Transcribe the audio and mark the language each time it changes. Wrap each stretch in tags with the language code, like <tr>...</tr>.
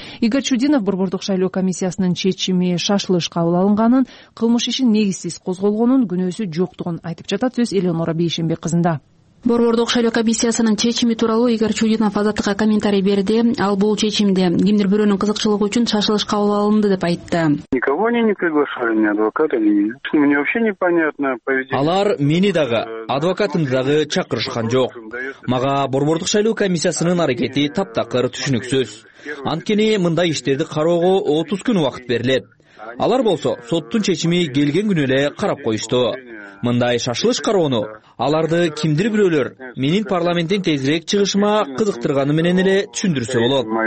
<ky>Игорь Чудинов борбордук шайлоо комиссиясынын чечими шашылыш кабыл алынганын, кылмыш ишин негизсиз козголгонун, күнөөсү жоктугун айтып жатат. Сөз Эленора Бейшенбек кызында. Борбордук шайлоо комиссиясынын чечими тууралуу Игорь Чудинов Азаттыкка комментарий берди. Ал бул чечимди кимдир бирөөнүн кызыкчылыгы үчүн шашылыш кабыл алынды деп айтты.</ky> <ru>Никого они не приглашали, ни адвоката, ни. Мне вообще непонятно поведение.</ru> <ky>Алар мени дагы, адвокатымды дагы чакырышкан жок. Мага борбордук шайлоо комиссиясынын аракети таптакыр түшүнүксүз. Анткени мындай иштерди кароого 30 күн убакыт берилет. Алар болсо соттун чечими келген күнү эле карап коюшту. Мындай шашылыш кароону аларды кимдир бирөөлөр менин парламенттен тезирээк чыгышыма кызыктырганы менен эле түшүндүрсө болот.</ky>